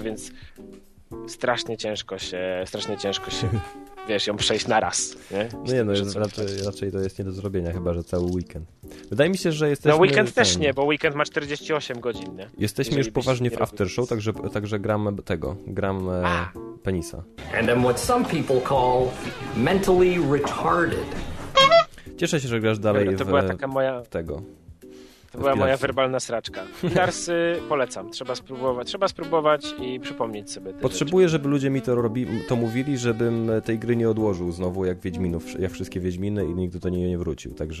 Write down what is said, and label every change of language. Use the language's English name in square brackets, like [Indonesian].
[Polish] Więc strasznie ciężko się wiesz, ją przejść na raz, nie? No nie, no raczej to jest nie do zrobienia, chyba że cały weekend. Wydaje mi się, że jesteśmy... No weekend też nie, bo weekend ma 48 godzin, nie? Jesteśmy już poważnie w aftershow, także gram penisa. [English] And I'm what some people call mentally retarded. [Polish] Cieszę się, że grasz dalej. Dobra, to była moja werbalna sraczka. Darsy polecam. Trzeba spróbować i przypomnieć sobie te Potrzebuję, rzeczy. Żeby ludzie mi to mówili, żebym tej gry nie odłożył znowu jak wszystkie Wiedźminy i nigdy do niej nie wrócił.